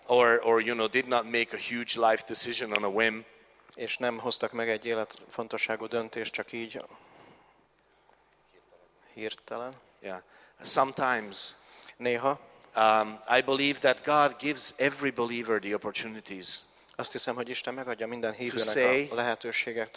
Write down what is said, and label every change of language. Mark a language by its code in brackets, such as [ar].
[en] Or you know, did not make a huge life decision on a whim. [hu] És nem hoztak meg egy életfontosságú döntést csak így hirtelen. [en] Yeah. Sometimes. [hu] Néha. [en] I believe that God gives every believer the opportunities. [hu] Azt hiszem, hogy Isten megadja minden hívőnek a lehetőséget,